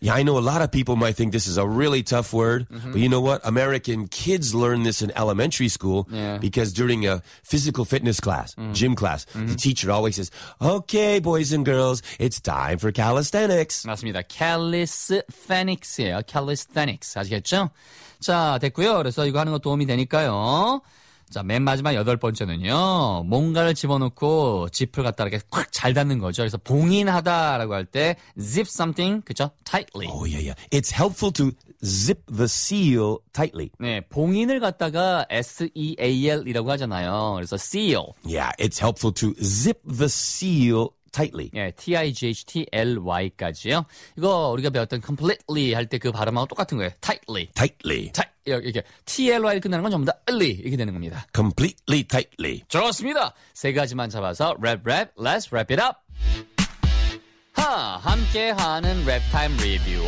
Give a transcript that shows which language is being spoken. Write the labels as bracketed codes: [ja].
[en] Yeah, I know a lot of people might think this is a really tough word, mm-hmm. but you know what? American kids learn this in elementary school because during a physical fitness class, gym class, the teacher always says, "Okay, boys and girls, it's time for calisthenics." [ko] 맞습니다. Calisthenics예요. Calisthenics. 아시겠죠? 자, 됐고요. 그래서 이거 하는 거 도움이 되니까요. 자, 맨 마지막 여덟 번째는요. 뭔가를 집어넣고 지퍼를 갖다 이렇게 꽉 잘 닫는 거죠. 그래서 봉인하다라고 할 때 [en] zip something, [ko] 그렇죠? [en] Tightly. Oh, yeah, yeah. It's helpful to zip the seal tightly. [ko] 네, 봉인을 갖다가 S-E-A-L이라고 하잖아요. 그래서 seal. [en] Yeah, it's helpful to zip the seal tightly. [ko] 예, T-I-G-H-T-L-Y까지요. 이거 우리가 배웠던 completely 할 때 그 발음하고 똑같은 거예요. [en] Tightly. Tightly. [ko] Tight, 이렇게 T-L-Y를 끝나는 건 전부 다 ly 이렇게 되는 겁니다. [en] Completely tightly. [ko] 좋습니다. 세 가지만 잡아서 랩 랩, [en] let's wrap it up. [ko] 하, 함께하는 랩타임 리뷰.